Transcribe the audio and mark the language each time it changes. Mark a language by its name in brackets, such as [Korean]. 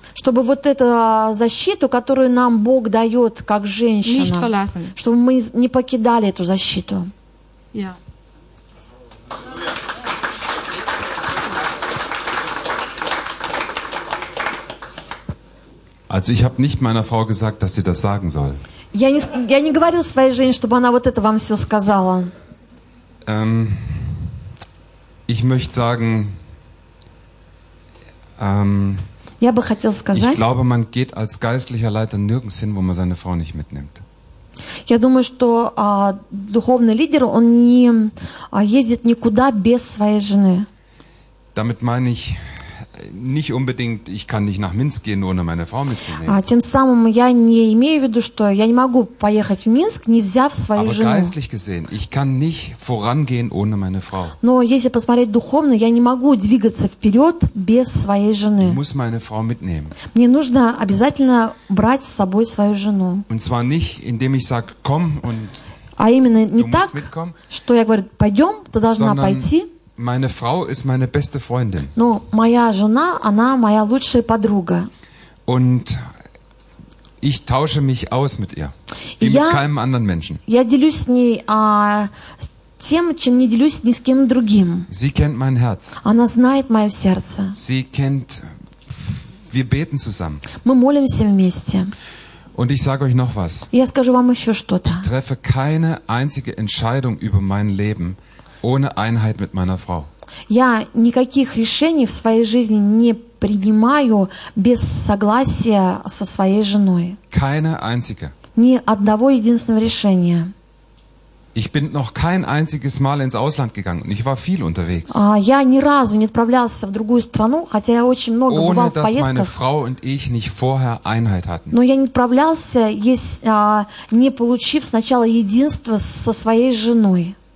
[Russian] чтобы вот эту защиту, которую нам Бог дает как женщина, [German] nicht verlassen. [Russian] Чтобы мы не покидали эту защиту. [German] Ja. Also ich habe nicht meiner Frau gesagt, dass sie das sagen soll. [Russian] Я не говорил своей жене, чтобы она вот это вам все сказала. [German] Ich möchte sagen. [Russian] Я бы хотел сказать. [German] Ich glaube, man geht als geistlicher Leiter nirgends hin, wo man seine Frau nicht mitnimmt. [Russian] Я думаю, что духовный лидер он не ездит никуда без своей жены. [German] Damit meine ich. nicht unbedingt, ich kann nicht nach Minsk gehen, ohne meine Frau mitzunehmen. [Russian] Тем самым я не имею в виду, что я не могу поехать в Минск, не взяв свою [German] Aber [Russian] жену. [German] Aber geistlich gesehen, ich kann nicht vorangehen ohne meine Frau. [Russian] Но если посмотреть духовно, я не могу двигаться вперед без своей жены. [German] Ich muss meine Frau mitnehmen. [Russian] Мне нужно обязательно брать с собой свою жену. [German] Und zwar nicht, indem ich sage, komm und [Russian] А именно не так, что я говорю, пойдем, ты должна пойти. [German] Meine Frau ist meine beste Freundin. [Russian] Но моя жена, она моя лучшая подруга. [German] Und ich tausche mich aus mit ihr. Wie [Russian] я, [German] mit keinem anderen Menschen. [Russian] Я делюсь с ней тем, чем не делюсь ни с кем другим. [German] Sie kennt mein Herz. [Russian] Она знает мое сердце. [German] Sie kennt, wir beten zusammen. [Russian] Мы молимся вместе. [German] Und ich sage euch noch was. [Russian] Я скажу вам еще что-то. [German] Ich treffe keine einzige Entscheidung über mein Leben ohne Einheit mit meiner Frau. [Russian] Я никаких решений в своей жизни не принимаю без согласия со своей женой. [German] Keine einzige. [Russian] Ни одного единственного решения. [German] Ich bin noch kein einziges Mal ins Ausland gegangen und ich war viel unterwegs. [Russian] Я ни разу не отправлялся в другую страну, хотя я очень много бывал в поездках. [German] Ohne dass meine Frau und ich nicht vorher Einheit hatten. [Russian] Но я не отправлялся, не получив сначала единство со своей женой.